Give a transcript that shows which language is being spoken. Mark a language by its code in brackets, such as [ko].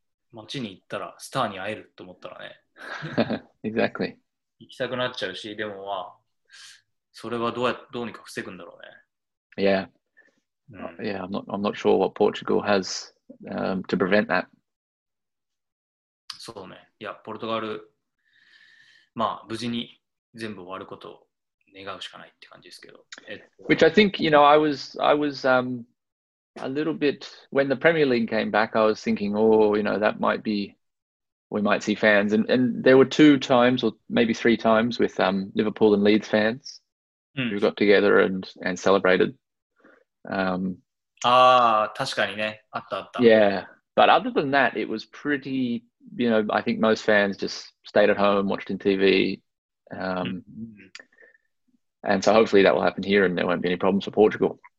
[ja] この10チームぐらいがみんな、いるわけだから。まあ、街に行ったらスターに会えると思ったらね。 [en] Exactly. [ja] 行きたくなっちゃうし、でもは、それはどうにか防ぐんだろうね。 [en] Yeah. Yeah, I'm not sure what Portugal has to prevent that. [ja] そうね。いや、ポルトガル、まあ、無事に全部終わることを願うしかないって感じですけど。 [en] Which I think, you know, I was a little bit, when the Premier League came back, I was thinking, oh, you know, that might be, we might see fans. And there were two times, or maybe three times, with Liverpool and Leeds fans who got together and celebrated. [ja] ああ、確かにね。あったあった。 [en] Yeah, but other than that, it was pretty... You know, I think most fans just stayed at home, watched in TV. And so hopefully that will happen here and there won't be any problems for Portugal.